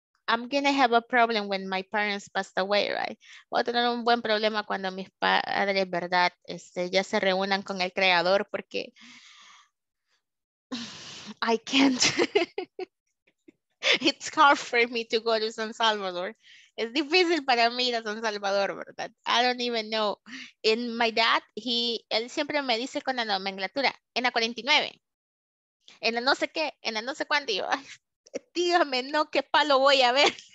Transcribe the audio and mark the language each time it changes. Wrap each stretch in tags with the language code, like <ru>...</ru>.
<en>I'm gonna have a problem when my parents passed away, right?</en> <es>Voy a tener un buen problema cuando mis padres, ¿verdad? Ya se reúnan con el creador porque</es> <en>I can't. It's hard for me to go to San Salvador.</en> <es>Es difícil para mí ir a San Salvador, ¿verdad?</es> <en>I don't even know.</en> <es>And my dad, él siempre me dice con la nomenclatura, en la 49, en la no sé qué, en la no sé cuándo, y yo, ay, dígame, no, ¿qué palo voy a ver?</es>